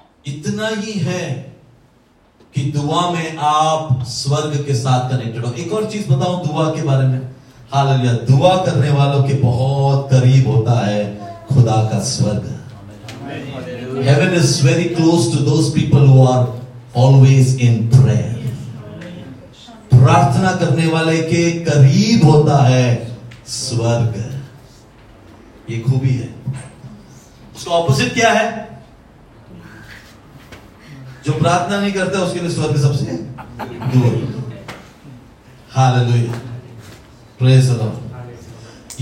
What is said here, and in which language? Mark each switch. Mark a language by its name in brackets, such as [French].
[Hindi] इतना ही है, कि दुआ में आप स्वर्ग के साथ कनेक्टेड हो। एक और चीज बताऊं दुआ के बारे में, हालेलुया, दुआ करने वालों के बहुत करीब होता है खुदा का स्वर्ग। [English] Heaven is very close to those people who are always in prayer. [Hindi] प्रार्थना करने वाले के करीब होता है स्वर्ग। ये खूबी है। उसको ऑपोजिट क्या है? जो प्रार्थना नहीं करता उसके लिए स्वर्ग सबसे दूर। Hallelujah, [English] Praise the Lord.